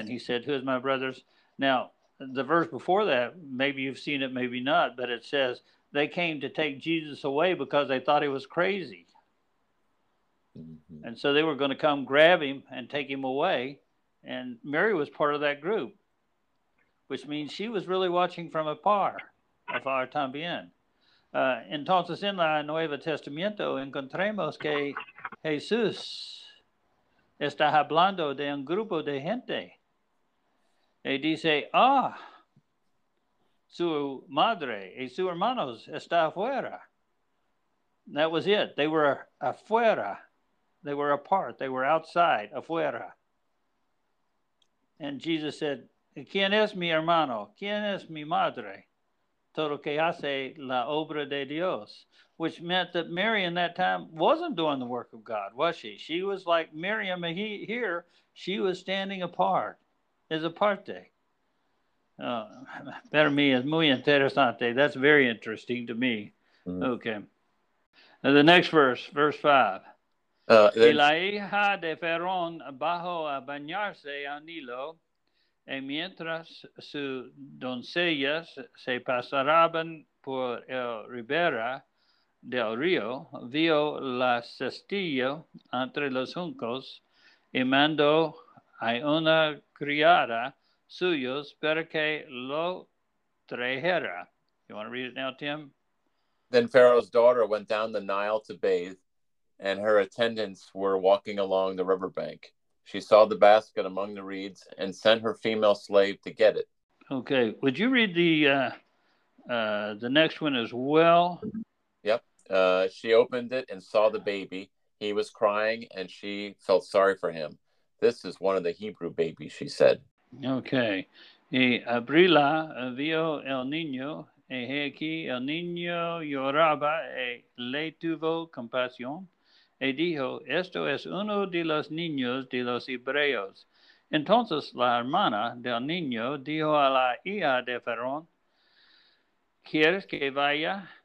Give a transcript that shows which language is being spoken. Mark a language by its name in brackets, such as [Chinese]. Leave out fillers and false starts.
[English] And he said, who is my brothers? Now, the verse before that, maybe you've seen it, maybe not, but it says they came to take Jesus away because they thought he was crazy. Mm-hmm. And so they were going to come grab him and take him away. And Mary was part of that group, which means she was really watching from afar, afar también. [Spanish] Entonces en la Nueva Testamento encontramos que Jesús está hablando de un grupo de gente. Y dice, ah, su madre y su hermanos está afuera. [English] That was it. They were afuera. They were apart. They were outside, afuera. And Jesus said, [Spanish] ¿Quién es mi hermano? ¿Quién es mi madre? Todo que hace la obra de Dios. [English] Which meant that Mary in that time wasn't doing the work of God, was she? She was like Miriam here. She was standing apart, as aparte. [Spanish] Para mí es muy interesante. [English] That's very interesting to me. Mm-hmm. Okay. Now the next verse, verse 5. [Spanish] Y la hija de Ferón bajó a bañarse a Nilo, y mientras sus doncellas se pasaraban por el ribera del río, vio la cestilla entre los juncos y mandó a una criada suyos para que lo trajera. [English] You want to read it now, Tim? Then Pharaoh's daughter went down the Nile to bathe, and her attendants were walking along the riverbank. She saw the basket among the reeds and sent her female slave to get it. Okay. Would you read the next one as well? Yep. She opened it and saw the baby. He was crying and she felt sorry for him. This is one of the Hebrew babies, she said. [Spanish] Okay. Y abrila vio el niño. Y aquí el niño lloraba y le tuvo compasión. Y dijo, esto es uno de los niños de los hebreos. Entonces la hermana del niño dijo a la hija de Ferón, ¿quieres que vaya?